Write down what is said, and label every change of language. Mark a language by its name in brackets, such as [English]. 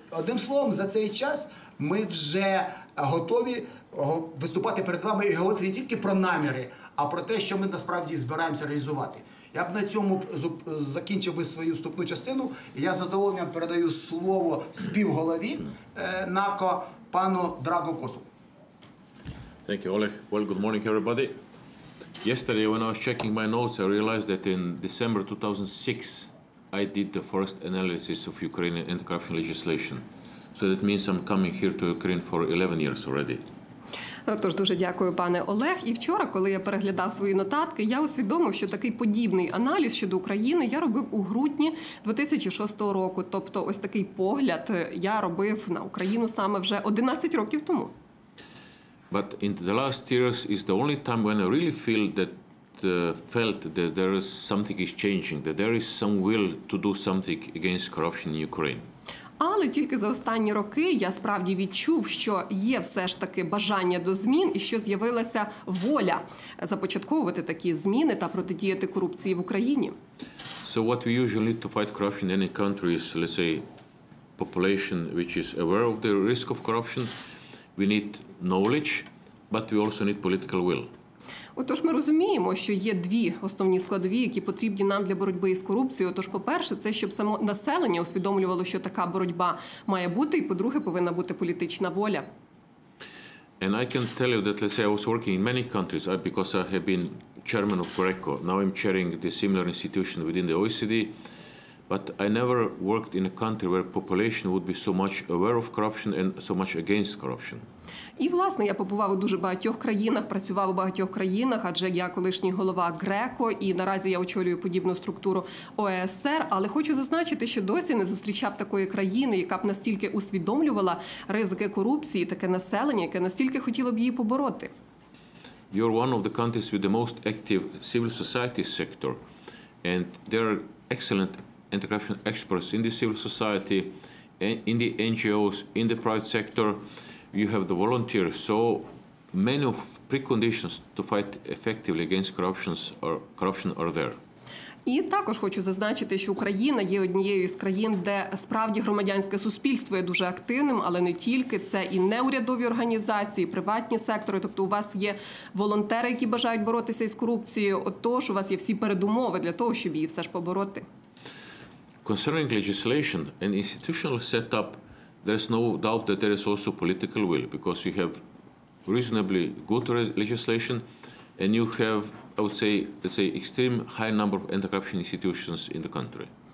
[Ukrainian] Одним словом, за цей час ми вже готові виступати перед вами і говорити не тільки про наміри, а про те, що ми насправді збираємося реалізувати. Я б на цьому закінчив би свою вступну частину. Я з задоволенням передаю слово співголові НАКО пану Драго Косу. [English] Thank you, Oleg. Well, good morning, everybody. Yesterday, when I was checking my notes, I realized that in December 2006, I did the first analysis of Ukrainian anti-corruption legislation. So that means I'm coming here to Ukraine for 11 years already. [Ukrainian] Тож, дуже дякую, пане Олег. І вчора, коли я переглядав свої нотатки, я усвідомив, що такий подібний аналіз щодо України я робив у грудні 2006 року. Тобто, ось такий погляд я робив на Україну саме вже 11 років тому. [English] But in the last years is the only time when I really feel that felt that there is something is changing, that there is some will to do something against corruption in Ukraine. [Ukrainian] Але тільки за останні роки я справді відчув, що є все ж таки бажання до змін і що з'явилася воля започатковувати такі зміни та протидіяти корупції в Україні. [English] So what we usually need to fight corruption in any country is, let's say, population which is aware of the risk of corruption. We need knowledge, but we also need political will. [Ukrainian] Отож, ми розуміємо, що є дві основні складові, які потрібні нам для боротьби із корупцією. Отож, по-перше, це щоб само населення усвідомлювало, що така боротьба має бути, і по-друге, повинна бути політична воля. [English] And I can tell you that, let's say, I was working in many countries because I have been chairman of GRECO. Now I'm chairing the similar institution within the OECD. But I never worked in a country where population would be so much aware of corruption and so much against corruption. [Ukrainian] І, власне, я побував у дуже багатьох країнах, працював у багатьох країнах, адже я колишній голова ГРЕКО, і наразі я очолюю подібну структуру ОЕСР. Але хочу зазначити, що досі не зустрічав такої країни, яка б настільки усвідомлювала ризики корупції, таке населення, яке настільки хотіло б її побороти. [English] You're one of the countries with the most active civil society sector, and there are excellent anti-corruption experts in the civil society, in the NGOs, in the private sector. You have the volunteers, so many of preconditions to fight effectively against corruption are there. [Ukrainian] І також хочу зазначити, що Україна є однією з країн, де справді громадянське суспільство є дуже активним, але не тільки. Це і неурядові організації, і приватні сектори. Тобто у вас є волонтери, які бажають боротися із корупцією. Отож, у вас є всі передумови для того, щоб її все ж побороти. [English] Concerning legislation and institutional setup, there is no doubt that there is also political will, because you have reasonably good legislation and you have, I would say, let's say, extreme high number of anti-corruption institutions in the country.